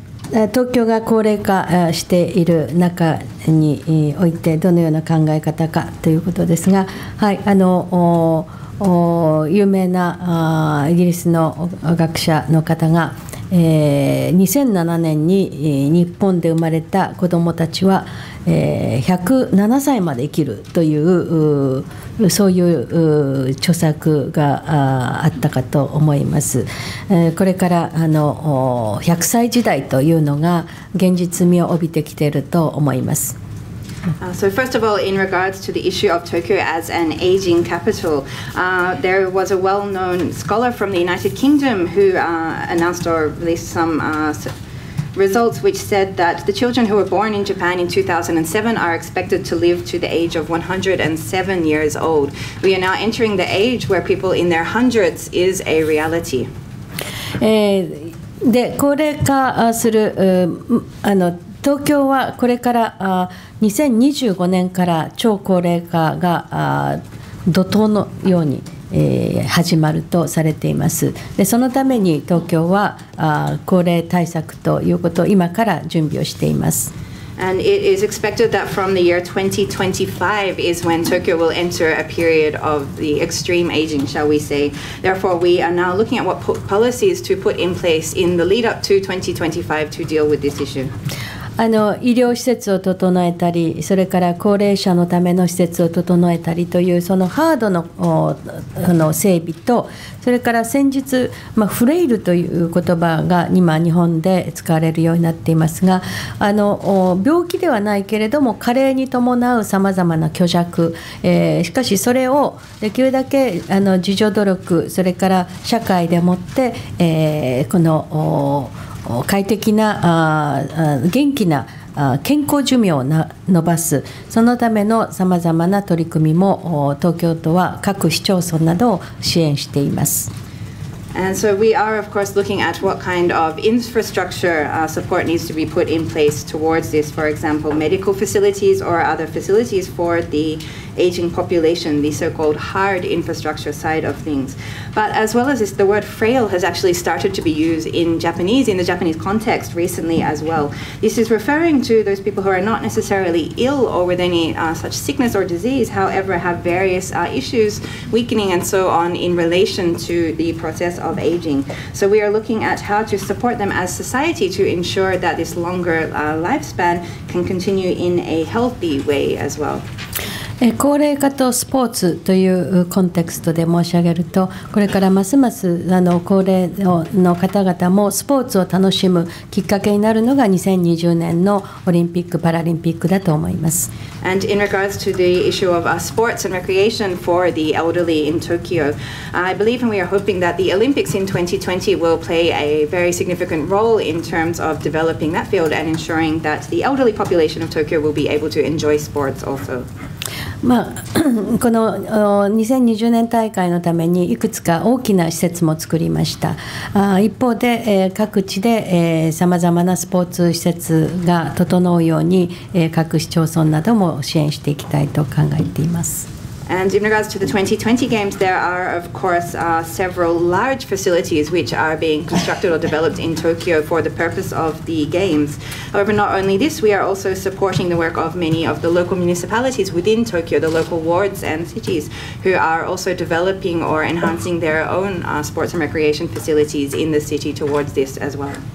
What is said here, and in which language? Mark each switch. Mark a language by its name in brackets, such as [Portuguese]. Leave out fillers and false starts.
[Japanese] 東京が高齢化している中においてどのような考え方かということですが、はい、あの有名なイギリスの学者の方が、2007年に日本で生まれた子どもたちは107歳まで生きるというそういう著作があったかと思います。これからあの100歳時代というのが現実味を帯びてきていると思います。 [English] So first of all, in regards to the issue of Tokyo as an aging capital, there was a well-known scholar from the United Kingdom who announced or released some results which said that the children who were born in Japan in 2007 are expected to live to the age of 107 years old. We are now entering the age where people in their hundreds is a reality. [Japanese] で、高齢化する、あの東京はこれから2025年から超高齢化が怒涛のように始まるとされています。でそのために東京は高齢対策ということを今から準備をしています。 [English] And it is expected that from the year 2025 is when Tokyo will enter a period of the extreme aging, shall we say. Therefore, we are now looking at what policies to put in place in the lead up to 2025 to deal with this issue. [Japanese] 医療施設を整えたり、それから高齢者のための施設を整えたりというそのハードの整備と、それから先日、フレイルという言葉が今日本で使われるようになっていますが、病気ではないけれども加齢に伴うさまざまな虚弱、しかしそれをできるだけ自助努力、それから社会でもって、この快適な元気な健康寿命を伸ばす、そのためのさまざまな取り組みも東京都は各市町村などを支援しています。 [English] And so we are, of course, looking at what kind of infrastructure support needs to be put in place towards this. For example, medical facilities or other facilities for the aging population, the so-called hard infrastructure side of things. But as well as this, the word frail has actually started to be used in Japanese, in the Japanese context recently as well. This is referring to those people who are not necessarily ill or with any such sickness or disease, however, have various issues, weakening and so on in relation to the process of aging. So we are looking at how to support them as society to ensure that this longer lifespan can continue in a healthy way as well. [Japanese] 高齢化とスポーツというコンテクストで申し上げると、これからますます高齢の方々もスポーツを楽しむきっかけになるのが2020年のオリンピック・パラリンピックだと思います。 [English] And in regards to the issue of sports and recreation for the elderly in Tokyo, I believe and we are hoping that the Olympics in 2020 will play a very significant role in terms of developing that field and ensuring that the elderly population of Tokyo will be able to enjoy sports also. [Japanese] この2020年大会のためにいくつか大きな施設も作りました。一方で各地でさまざまなスポーツ施設が整うように各市町村なども支援していきたいと考えています。 [English] And in regards to the 2020 Games, there are, of course, several large facilities which are being constructed or developed in Tokyo for the purpose of the Games. However, not only this, we are also supporting the work of many of the local municipalities within Tokyo, the local wards and cities, who are also developing or enhancing their own sports and recreation facilities in the city towards this as well.